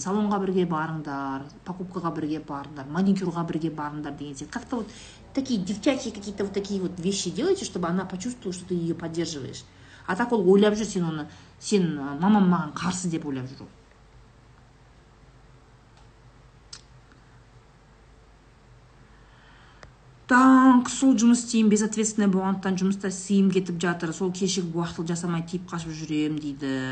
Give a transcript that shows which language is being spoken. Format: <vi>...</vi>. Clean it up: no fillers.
<kk>Салонға бірге барыңдар. Покупкаға бірге барыңдар. Маникюрға бірге барыңдар деген сияқты.</kk> <ru>Как-то вот такие девчачьи какие-то вот такие вот вещи делайте, чтобы она почувствовала, что ты ее поддерживаешь.</ru> <kk>А так ол ойлап жүр, сен оны, сен мамам маған қарсы деп ойлап жүр. Так, сол жұмыс істеймін, безответственный болғандықтан жұмыста сыйым кетіп жатыр, сол кешігіп уақытылы жасамай тиіп қашып жүремін дейді.</kk>